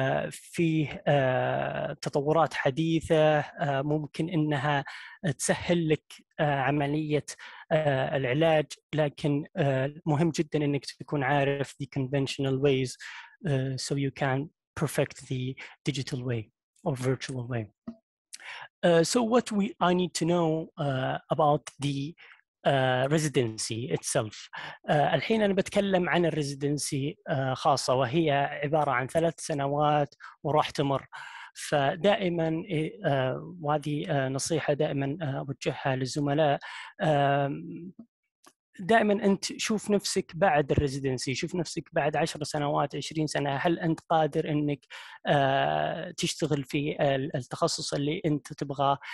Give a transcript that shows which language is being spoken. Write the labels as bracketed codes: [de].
[ar] فيه تطورات حديثة ممكن إنها تسهل لك عملية العلاج, لكن مهم جدا إنك تكون عارف [en] the conventional ways so you can perfect the digital way or virtual way. So what I need to know about the residency itself. [ar] الحين أنا بتكلم عن الريزيدنسي خاصة, وهي عبارة عن 3 سنوات وراح تمر. فدائما وهذه نصيحة دائما أوجهها للزملاء, دائما أنت شوف نفسك بعد الريزيدنسي, شوف نفسك بعد 10 سنوات 20 سنة, هل أنت قادر أنك تشتغل في التخصص اللي أنت تبغاه.